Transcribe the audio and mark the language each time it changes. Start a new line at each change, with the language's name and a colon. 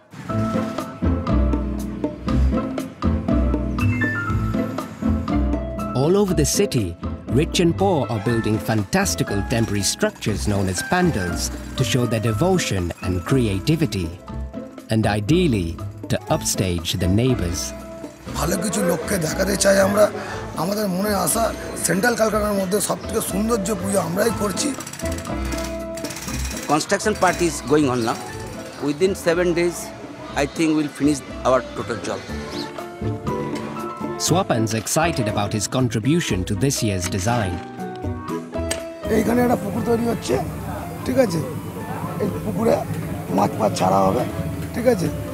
English: All over the city, rich and poor are building fantastical temporary structures known as pandals to show their devotion and creativity. And ideally, to upstage the neighbors.
Bangla: ভালো কিছু লোককে দেখাতে চাই আমরা আমাদের মনে আসা সেন্ট্রাল কলকাতার মধ্যে সবথেকে সুন্দর যে পূজা আমরাই করছি
English: Construction party is going on now within 7 days I think will finish our total job Swapan's excited about his contribution to this year's design.
Bangla: এইখানে একটা পুকুর তৈরি হচ্ছে ঠিক আছে এই পুকুরে মাছ পাঁচ ছাড়া হবে ঠিক আছে